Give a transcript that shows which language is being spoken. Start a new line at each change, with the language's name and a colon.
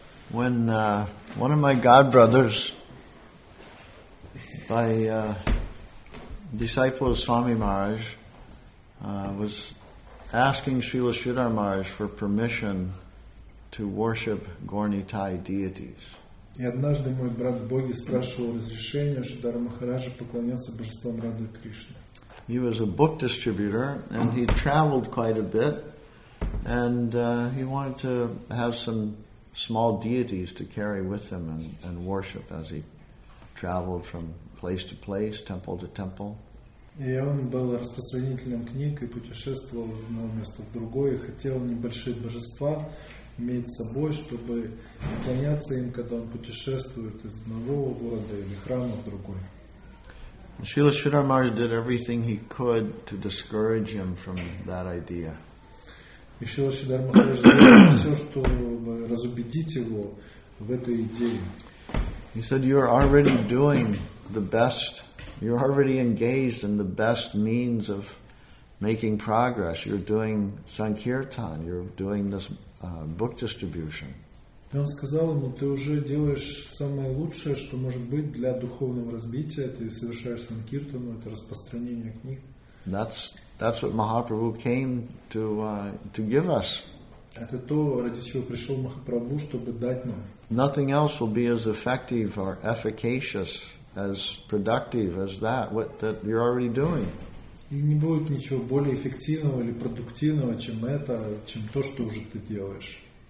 English: When one of my god brothers, by disciple of Swami Maharaj, was asking Srila Sridhar Maharaj for permission to worship Gornitai deities.
Russian: И однажды мой брат Боги спрашивал разрешения Шридхара Махараджа поклоняться божествам Радхи Кришны.
English: He was a book distributor, and he traveled quite a bit, and he wanted to have some small deities to carry with him and worship as he traveled from place to place, temple to temple.
Russian: И он был распространителем книг и путешествовал из одного места в другое, хотел небольшие божества иметь с собой, чтобы поклоняться им, когда он путешествует из одного города или храма в другой.
English: Srila Sridhar Maharaj did everything he could to discourage him from that idea. He said, you're already doing the best, you're already engaged in the best means of making progress. You're doing Sankirtan, you're doing this book distribution.
Russian: И он сказал ему, ты уже делаешь самое лучшее, что может быть для духовного развития, ты совершаешь санкиртану, это распространение книг.
English: That's what Mahaprabhu came to give us.
Russian: Это то, ради чего пришел Махапрабху, чтобы дать нам.
English: Nothing else will be as effective or efficacious, as productive as that, what that you're already doing.
Russian: И не будет ничего более эффективного или продуктивного, чем это, чем то, что уже ты делаешь.